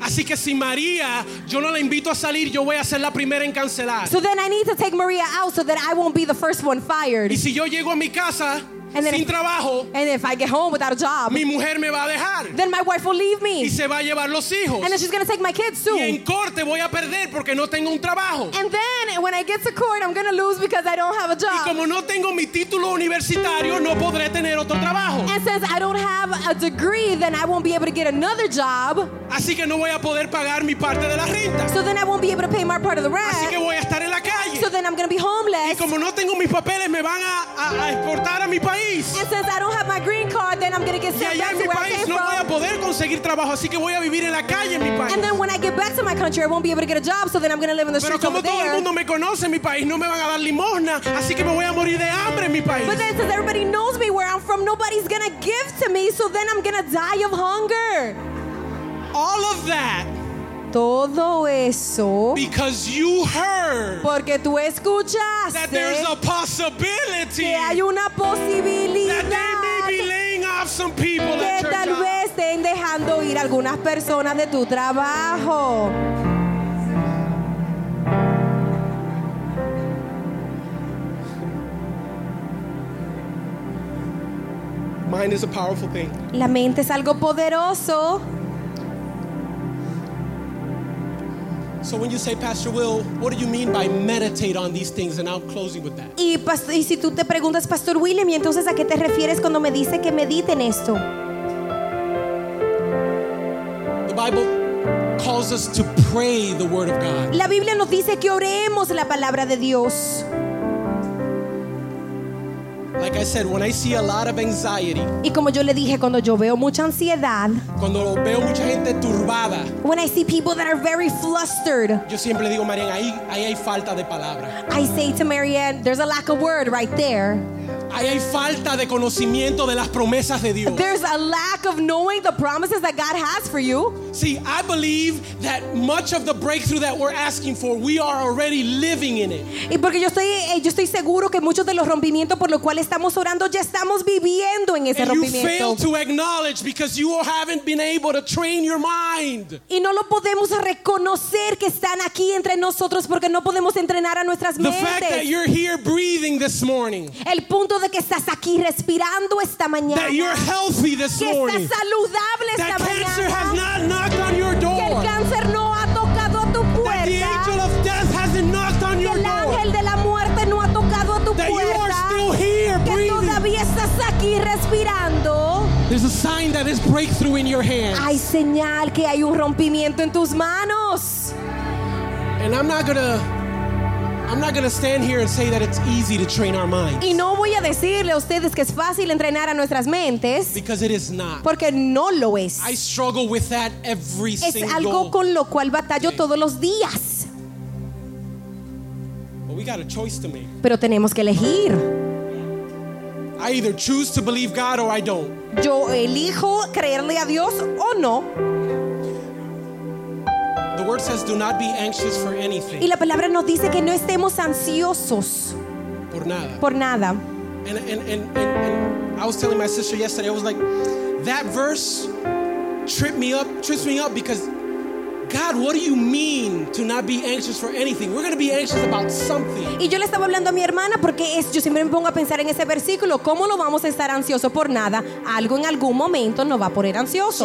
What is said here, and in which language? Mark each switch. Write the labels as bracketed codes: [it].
[es] Así que si María, yo no la invito a salir, yo voy a ser la primera en cancelar. [en] So then I need to take Maria out so that I won't be the first one fired. [es] Y si yo llego a mi casa sin trabajo, [en] and if I get home without a job, [es] mi mujer me va a dejar, [en] then my wife will leave me, [es] y se va a llevar los hijos, [en] and then she's going to take my kids too, [es] y en corte voy a perder porque no tengo un trabajo, [en] and then when I get to court I'm going to lose because I don't have a job, [es] y como no tengo mi título universitario no podré tener otro trabajo, [en] and since I don't have a degree then I won't be able to get another job, [es] así que no voy a poder pagar mi parte de la renta, [en] so then I won't be able to pay my part of the rent, [es] así que voy a estar en la calle, [en] so then I'm going to be homeless, [es] y como no tengo mis papeles me van a exportar a mi país. [en] And since I don't have my green card, then I'm going to get sent back to where I came from. [es] No voy a poder conseguir trabajo, así que voy a vivir en la calle en mi país. [en] And then when I get back to my country, I won't be able to get a job, so then I'm going to live in the streets over [es] there. Pero como todo el mundo me conoce en mi país, no me van a dar limosna, así que me voy a morir de hambre en mi país. [en] But then since everybody knows me where I'm from, nobody's going to give to me, so then I'm going to die of hunger. All of that. [es] Todo eso. [en] Because you heard. [es] Porque tú escuchaste. [en] That there's a possibility. [es] Que hay una posibilidad. [en] That they may be laying off some people at your job. [es] Que tal vez estén dejando ir algunas personas de tu trabajo. [en] Mind is a powerful thing. [es] La mente es algo poderoso. [en] So when you say, Pastor Will, what do you mean by meditate on these things? And I'll close you with that. [es] Y si tú te preguntas, Pastor William, ¿y entonces a qué te refieres cuando me dice que medite en esto? [en] The Bible calls us to pray the Word of God. [es] La Biblia nos dice que oremos la palabra de Dios. [en] Like I said, when I see a lot of anxiety, [es] y como yo le dije, cuando yo veo mucha ansiedad, cuando veo mucha gente turbada, [en] when I see people that are very flustered, [es] yo siempre digo, Marianne, ahí hay falta de palabra. [en] I say to Marianne, there's a lack of word right there. [es] Ahí hay falta de conocimiento de las promesas de Dios. [en] There's a lack of knowing the promises that God has for you. See, I believe that much of the breakthrough that we're asking for, we are already living in it. [es] Y porque yo estoy seguro que muchos de los rompimientos por los cuales estamos orando ya estamos viviendo en ese rompimiento. [en] And you fail to acknowledge because you haven't been able to train your mind. [es] Y no lo podemos reconocer que están aquí entre nosotros porque no podemos entrenar a nuestras mentes. [en] The fact that you're here breathing this morning. [es] El punto de que estás aquí respirando esta mañana. [en] That you're healthy this morning. [es] Que estás saludable esta mañana. [en] That cancer has not knocked on your door. [es] Que el cáncer no ha tocado tu puerta. [en] That the angel of death hasn't knocked on your [es] door. Que el ángel de la muerte no ha tocado tu puerta. [en] That you are still here breathing. [es] Que todavía estás aquí respirando. [en] There's a sign that is breakthrough in your hands. [es] Hay señal que hay un rompimiento en tus manos. [en] And I'm not gonna stand here and say that it's easy to train our minds. [es] Y no voy a decirle a ustedes que es fácil entrenar a nuestras mentes. [en] Because it is not. [es] Porque no lo es. [en] I struggle with that every single day. [es] Es algo con lo cual batallo todos los días. [en] But we got a choice to make. [es] Pero tenemos que elegir. [en] I either choose to believe God or I don't. [es] Yo elijo creerle a Dios o no. [en] The word says, "Do not be anxious for anything." [es] Y la palabra nos dice que no estemos ansiosos por nada. Por nada. [en] And I was telling my sister yesterday, I was like, that verse trips me up because, God, what do you mean to not be anxious for anything? We're going to be anxious about something. [es] Y yo le estaba hablando a mi hermana porque es, yo siempre me pongo a pensar en ese versículo. ¿Cómo lo vamos a estar ansioso por nada? Algo en algún momento nos va a poner ansioso.